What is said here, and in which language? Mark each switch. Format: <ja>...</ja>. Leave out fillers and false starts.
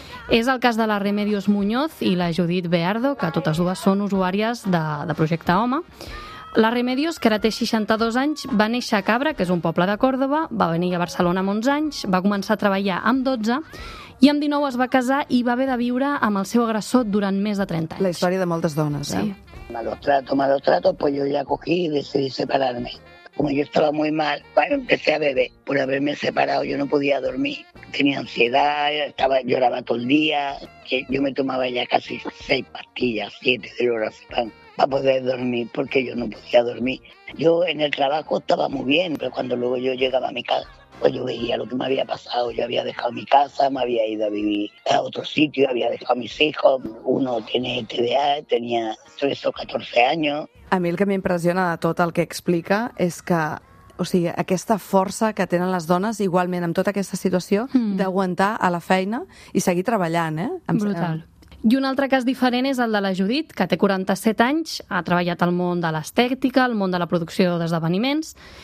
<ca>És el cas de la Remedios Muñoz i la Judit Beardo, que totes dues són usuàries de Projecte Home. La Remedios, que ara té 62 anys, va néixer a Cabra, que és un poble de Còrdoba, va venir a Barcelona amb 11 anys, va començar a treballar amb 12 i amb 19 es va casar i va haver de viure amb el seu agressor durant més de 30 anys. La història de moltes dones, sí.</ca> <es>Malos tratos, pues yo ya cogí y decidí separarme. Como yo estaba muy mal, bueno, empecé a beber. Por haberme separado yo no podía dormir. Tenía ansiedad, lloraba todo el día. Yo me tomaba ya casi 6 pastillas, 7 de lorazepam para poder dormir, porque yo no podía dormir. Yo en el trabajo estaba muy bien, pero cuando luego yo llegaba a mi casa, pues yo veía lo que me había pasado. Yo había dejado mi casa, me había ido a vivir a otro sitio, había dejado a mis hijos. Uno tiene TDA, tenía 3 o 14 años.</es> <ca>A mi el que m'impressiona de tot el que explica és que, o sigui, aquesta força que tenen les dones, igualment amb tota aquesta situació, d'aguantar a la feina i seguir treballant, eh? Brutal. I un altre cas diferent és el de la Judit, que té 47 anys, ha treballat al món de l'estètica, al món de la producció d'esdeveniments.</ca>